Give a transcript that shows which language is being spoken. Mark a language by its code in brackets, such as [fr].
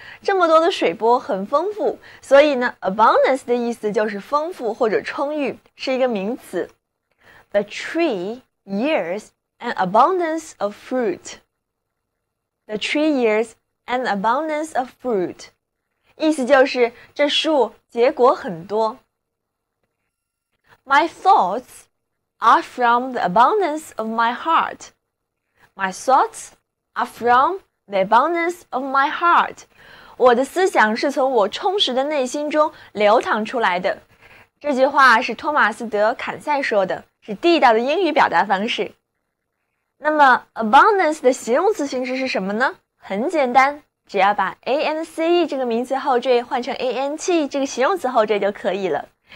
[zh] 这么多的水波很丰富，所以呢 ，abundance 的意思就是丰富或者充裕，是一个名词。 [en] The tree yields an abundance of fruit. The tree yields an abundance of fruit. [zh] 意思就是这树结果很多。 [en] My thoughts are from the abundance of my heart. My thoughts are from the abundance of my heart. [zh] 我的思想是从我充实的内心中流淌出来的。这句话是托马斯·德·坎塞说的，是地道的英语表达方式。那么 abundance 的形容词形式是什么呢？很简单，只要把 ance 这个名词后缀换成 ant 这个形容词后缀就可以了。